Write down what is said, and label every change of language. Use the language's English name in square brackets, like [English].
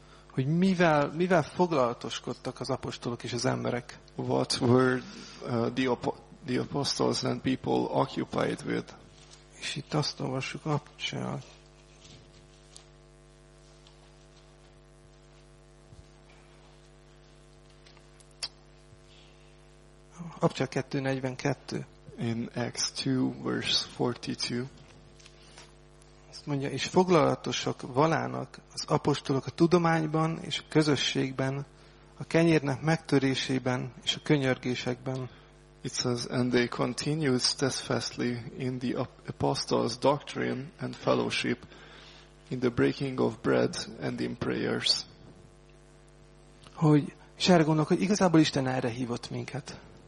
[Hungarian] Hogy mivel foglalatoskodtak az apostolok és az emberek? [English] What were the apostles and people occupied with? [Hungarian] És itt azt olvassuk Abcsel. Abcsel 2:42. [English] In Acts 2 verse 42. [Hungarian] Azt mondja, és foglalatosak valának az apostolok a tudományban és a közösségben, a kenyérnek megtörésében és a könyörgésekben. [English] It says, and they continued steadfastly in the apostles' doctrine and fellowship, in the breaking of bread and in prayers. [Hungarian] Hogy erre gondolok, hogy igazából Isten erre hívott minket.